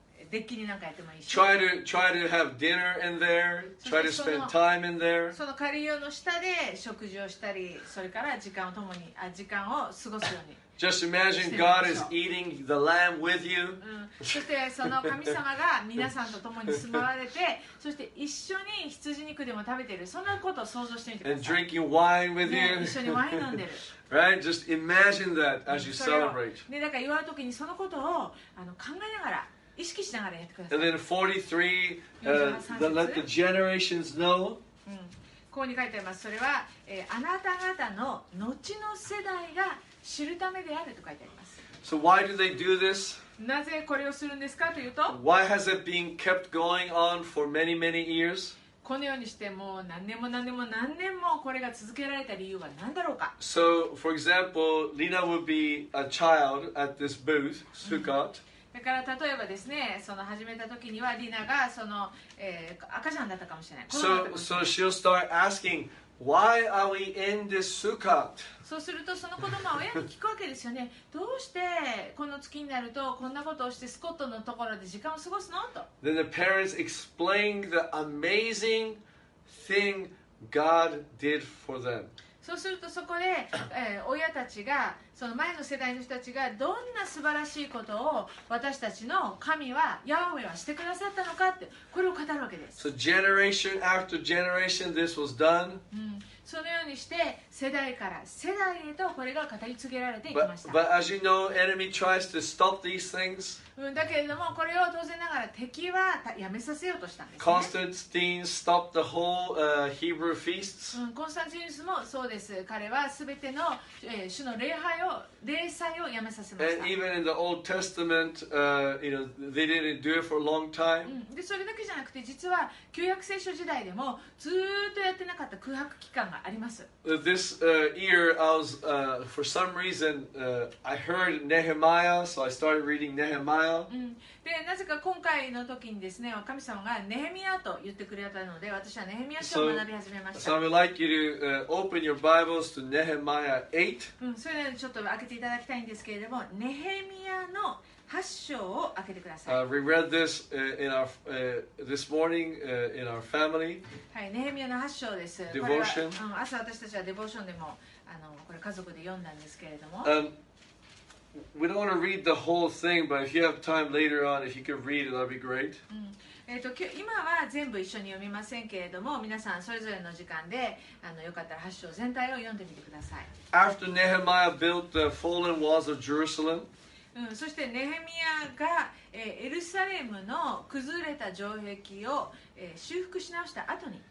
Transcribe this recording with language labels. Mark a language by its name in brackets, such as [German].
[Japanese] デッキになんかやってもいいし。 [English] Try to have dinner in there. Try to spend time in there. [Japanese] その仮寮の下で食事をしたり、それから時間を共に、あ、時間を過ごすように。 [English] Just imagine God is eating the lamb with you. [Japanese] そしてその神様が皆さんと共に住まわれて、そして一緒に羊肉でも食べている、そんなことを想像してみてください。 [English] And drinking wine with you. [Japanese] 一緒にワイン飲んでる。 [English] Right? Just imagine that as you celebrate. [Japanese] だから祝うときにそのことを考えながら、意識しながらやってください。 [English] And then 43, let the generations know. [Japanese] ここに書いてあります。それは、あなた方の後の世代が知るためであると書いてあります。 [English] So why do they do this? [Japanese] なぜこれをするんですかというと、 [English] Why has it been kept going on for many, many years? [Japanese] このようにしてもう何年も何年も何年もこれが続けられた理由は何だろうか。 [English] So, for example, Lina would be a child at this booth, Sukkot. [Japanese] だから例えばですね、その始めた時にはリナがその、赤ちゃんだったかもしれない。 [English] So she'll start asking, why are we in this Sukkot? [Japanese] そうするとその子供は親に聞くわけですよね。どうしてこの月になるとこんなことをしてスコットのところで時間を過ごすのと。 [English] Then the parents explain the amazing thing God did for them. [Japanese] そうするとそこで、親たちがその前の世代の人たちがどんな素晴らしいことを私たちの神はヤウェはしてくださったのかってこれを語るわけです。 [English] So generation after generation this was done. [Japanese] そのようにして世代から世代へとこれが語り継げられていきました。 [English] But as you know, enemy tries to stop these things. [Japanese] だけれどもこれを当然ながら敵はやめさせようとしたんですね。 [English] Constantine stopped the whole Hebrew feasts. [Japanese] コンスタンティヌスもそうです。彼はすべての、主の礼拝を礼祭をやめさせました。 [English] And even in the Old Testament, they didn't do it for a long time. [Japanese] でそれだけじゃなくて実は旧約聖書時代でもずっとやってなかった空白期間があります。 [English] This year, I was for some reason, I heard Nehemiah, so I started reading Nehemiah. [Japanese] でなぜか今回の時にですね、神様がネヘミヤと言ってくれたので、私はネヘミヤ書を学び始めました。 [English] So I would like you to open your Bibles to Nehemiah 8. [Japanese] それでちょっと開けていただきたいんですけれども、ネヘミヤの8章を開けてください。 [English] We read this in our this morning in our family. [Japanese] はい、ネヘミヤの8章です。 [English] Devotion. [Japanese] これは、朝私たちはデボーションでもこれ家族で読んだんですけれども。 [English] We don't want to read the whole thing, but if you have time later on, if you could read it, that'd be great. [Japanese] 今は全部一緒に読みませんけれども、皆さんそれぞれの時間でよかったら8章全体を読んでみてください。 [English] After Nehemiah built the fallen walls of Jerusalem, [Japanese] そしてネヘミヤが、エルサレムの崩れた城壁を、修復し直した後に、